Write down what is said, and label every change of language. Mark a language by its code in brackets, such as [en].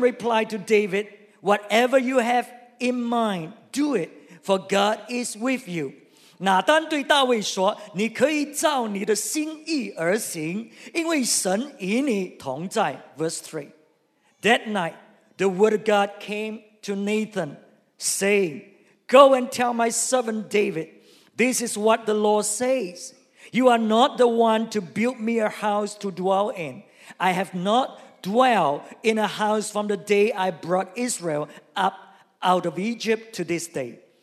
[en] replied to David, Whatever you have in mind, do it, for God is with you. [zh] 拿单对大卫说,你可以照你的心意而行,因为神与你同在, [en] verse 3. That night, the word of God came to Nathan, saying, Go and tell my servant David, this is what the Lord says. You are not the one to build me a house to dwell in. I have not dwelt in a house from the day I brought Israel up out of Egypt to this day.